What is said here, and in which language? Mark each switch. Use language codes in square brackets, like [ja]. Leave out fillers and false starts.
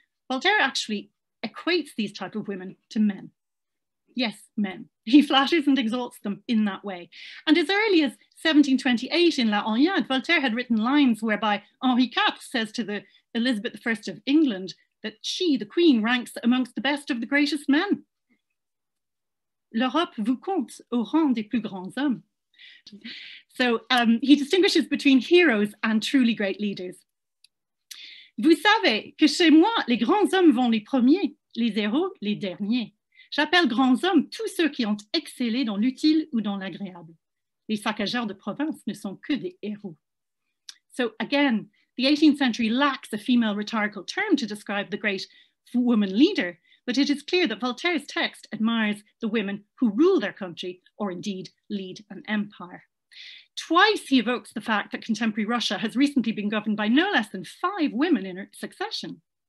[en] Voltaire actually equates these type of women to men. Yes, men. He flatters and exalts them in that way. And as early as 1728 in La Oignade, Voltaire had written lines whereby Henri IV says to the Elizabeth I of England that she, the queen, ranks amongst the best of the greatest men. [fr] L'Europe vous compte au rang des plus grands hommes. [en] So he distinguishes between heroes and truly great leaders. [fr] Vous savez que chez moi, les grands hommes vont les premiers, les héros les derniers. J'appelle grands hommes tous ceux qui ont excellé dans l'utile ou dans l'agréable. Les saccageurs de province ne sont que des héros. [en] So again, the 18th century lacks a female rhetorical term to describe the great woman leader, but it is clear that Voltaire's text admires the women who rule their country or indeed lead an empire. Twice he evokes the fact that contemporary Russia has recently been governed by no less than 5 women in succession.